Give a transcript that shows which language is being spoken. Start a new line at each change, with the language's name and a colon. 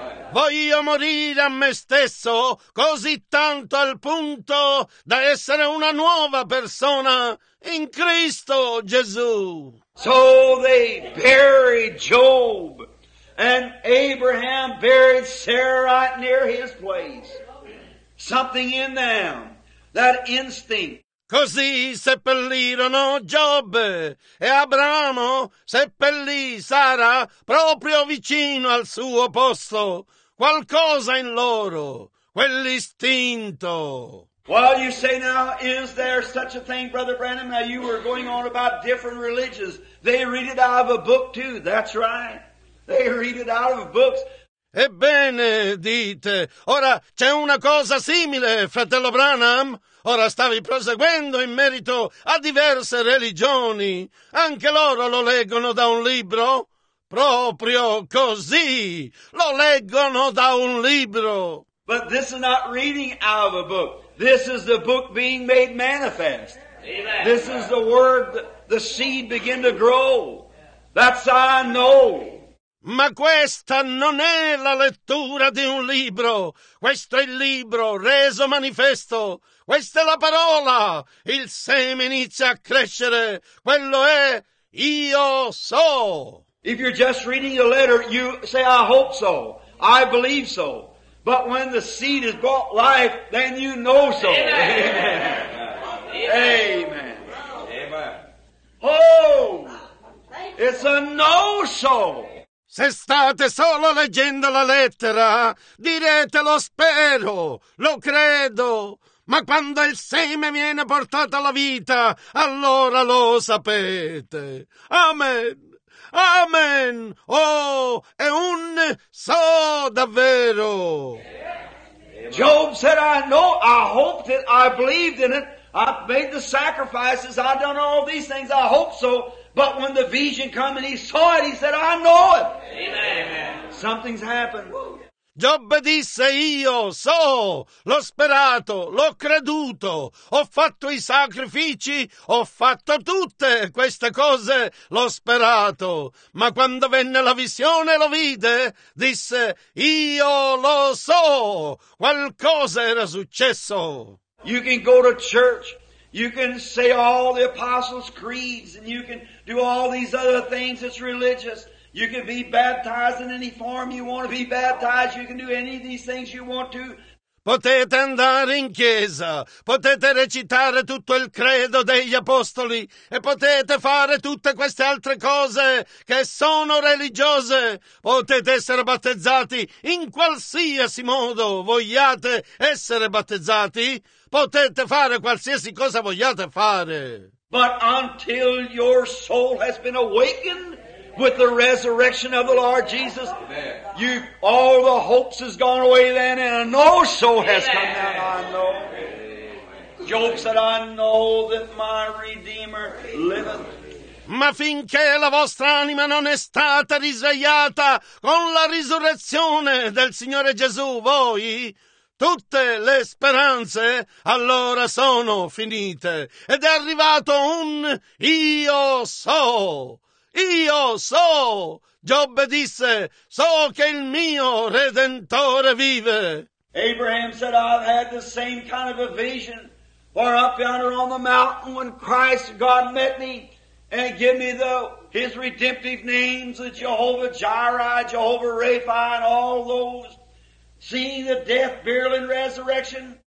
Italian: Voglio morire a me stesso, così tanto al punto da essere una nuova persona in Cristo Gesù.
English: So they buried Job, and Abraham buried Sarai near his place. Something in them, that instinct.
Italian: Così seppellirono Giobbe e Abramo seppellì Sara proprio vicino al suo posto. Qualcosa in loro, quell'istinto.
English: Well, you say now, is there such a thing, Brother Branham? Now, you were going on about different religions. They read it out of a book, too. That's right. They read it out of books.
Italian: Ebbene, dite, ora c'è una cosa simile, fratello Branham. Ora stavi proseguendo in merito a diverse religioni. Anche loro lo leggono da un libro. Proprio così, lo leggono da un libro.
English: But this is not reading out of a book. This is the book being made manifest. Amen. This is the word, the seed begin to grow. That's how I know.
Italian: Ma questa non è la lettura di un libro. Questo è il libro reso manifesto. Questa è la parola. Il seme inizia a crescere. Quello è io so.
English: If you're just reading a letter, you say, I hope so. I believe so. But when the seed has brought life, then you know so. Amen. Amen. Amen. Oh, it's a no so.
Italian: Se state solo leggendo la lettera, direte lo spero, lo credo. Ma quando il seme viene portato alla vita, allora lo sapete. Amen. Amen! Oh, è un so davvero!
English: Job said, I know, I hoped it, I believed in it, I've made the sacrifices, I've done all these things, I hope so, but when the vision came and he saw it, he said, I know it! Amen. Something's happened.
Italian: Giobbe disse, io so, l'ho sperato, l'ho creduto, ho fatto i sacrifici, ho fatto tutte queste cose, l'ho sperato. Ma quando venne la visione, lo vide, disse, io lo so, qualcosa era successo.
English: You can go to church, you can say all the apostles' creeds, and you can do all these other things that's religious. You can be baptized in any form you want to be baptized. You can do any of these things you want to.
Italian: Potete andare in chiesa, potete recitare tutto il credo degli apostoli e potete fare tutte queste altre cose che sono religiose. Potete essere battezzati in qualsiasi modo vogliate essere battezzati. Potete fare qualsiasi cosa vogliate fare.
English: But until your soul has been awakened with the resurrection of the Lord Jesus, you, all the hopes has gone away then, and a no-so has come down. I know. Job said, I know that my Redeemer liveth.
Italian: Ma finché la vostra anima non è stata risvegliata con la risurrezione del Signore Gesù, voi, tutte le speranze allora sono finite. Ed è arrivato un io so. Io so, Giobbe disse, so che il mio Redentore vive.
English: Abraham said, I've had the same kind of a vision where up yonder on the mountain when Christ God met me and gave me his redemptive names, the Jehovah Jireh, Jehovah Rapha, and all those, seeing the death, burial, and resurrection.